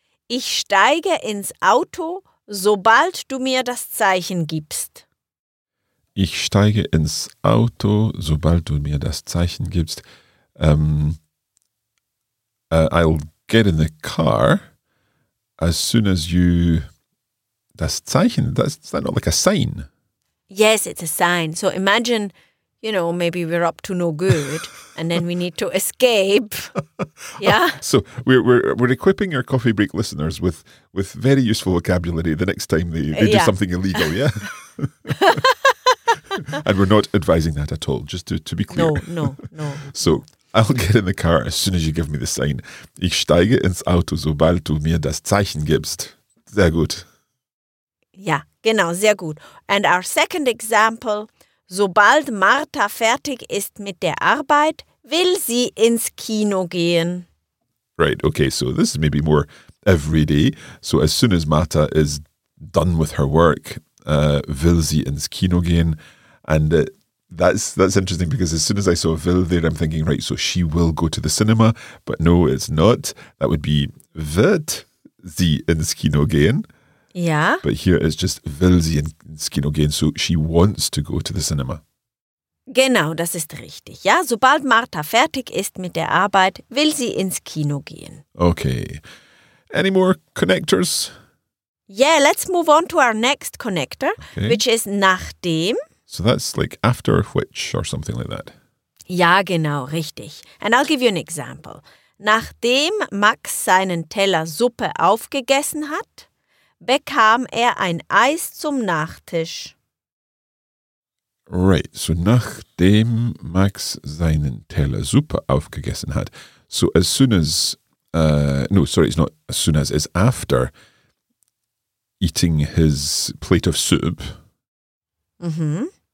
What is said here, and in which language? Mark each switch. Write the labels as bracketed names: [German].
[German] Ich steige ins Auto, sobald du mir das Zeichen gibst. Ich steige ins Auto, sobald du mir das Zeichen gibst. [English] I'll get in the car as soon as you... Das Zeichen, is that not like a sign? Yes, it's a sign. So imagine you know, maybe we're up to no good and then we need to escape. Yeah. So we're equipping our coffee break listeners with very useful vocabulary the next time they do something illegal, yeah? And we're not advising that at all, just to be clear. No. So I'll get in the car as soon as you give me the sign. Ich steige ins Auto, sobald du mir das Zeichen gibst. [German] Sehr gut. [English] Yeah, [German] genau, sehr gut. [English] And our second example, [German] sobald Martha fertig ist mit der Arbeit, will sie ins Kino gehen. [English] Right, okay, so this is maybe more everyday. So as soon as Martha is done with her work, [German] will sie ins Kino gehen. [English] And that's interesting because as soon as I saw will there, I'm thinking, right, so she will go to the cinema. But no, it's not. That would be [German] wird sie ins Kino gehen. [English] Yeah. But here it's just [German] will sie ins Kino gehen. [English] So she wants to go to the cinema. [German] Genau, das ist richtig. Ja, sobald Martha fertig ist mit der Arbeit, will sie ins Kino gehen. [English] Okay. Any more connectors? Yeah, let's move on to our next connector, okay, which is nachdem. So that's like after which or something like that. [German] Ja, genau, richtig. [English] And I'll give you an example. [German] Nachdem Max seinen Teller Suppe aufgegessen hat, bekam er ein Eis zum Nachtisch. [English] Right, so [German] nachdem Max seinen Teller Suppe aufgegessen hat, [English] so as soon as, it's not as soon as, it's after eating his plate of soup. Mm-hmm.